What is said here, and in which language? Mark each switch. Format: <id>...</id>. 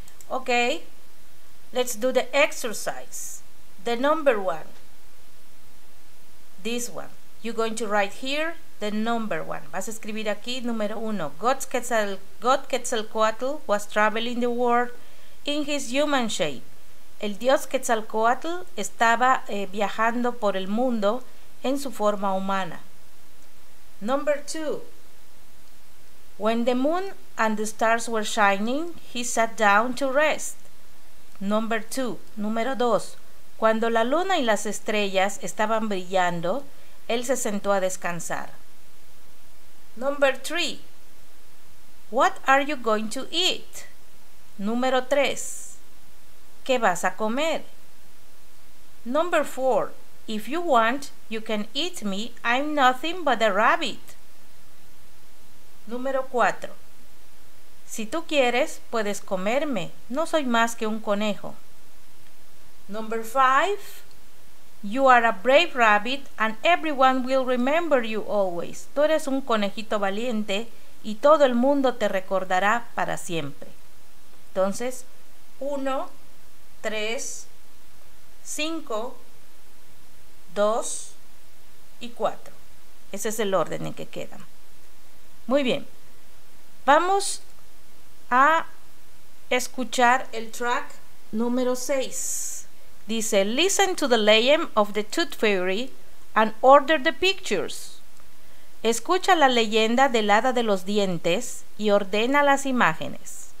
<en>Okay, let's do the exercise. The number one. This one. You're going to write here. The number one.</en> <es>Vas a escribir aquí, número uno.</es> <en>God Quetzalcoatl was traveling the world in his human shape.</en> <es>El dios Quetzalcoatl estaba viajando por el mundo en su forma humana.</es> <en>Number two. When the moon and the stars were shining, he sat down to rest. Number two.</en> <es>Número dos. Cuando la luna y las estrellas estaban brillando, él se sentó a descansar.</es> <en>Number 3. What are you going to eat?</en> <es>Número 3. ¿Qué vas a comer?</es> <en>Number 4. If you want, you can eat me. I'm nothing but a rabbit.</en> <es>Número 4. Si tú quieres, puedes comerme. No soy más que un conejo.</es> <en>Number 5. You are a brave rabbit and everyone will remember you always.</en> <es>Tú eres un conejito valiente y todo el mundo te recordará para siempre. Entonces, 1, 3, 5, 2 y 4. Ese es el orden en que quedan. Muy bien. Vamos a escuchar el track número 6. Dice,</es> <en>listen to the legend of the Tooth Fairy and order the pictures.</en> <es>Escucha la leyenda del Hada de los Dientes y ordena las imágenes.</es>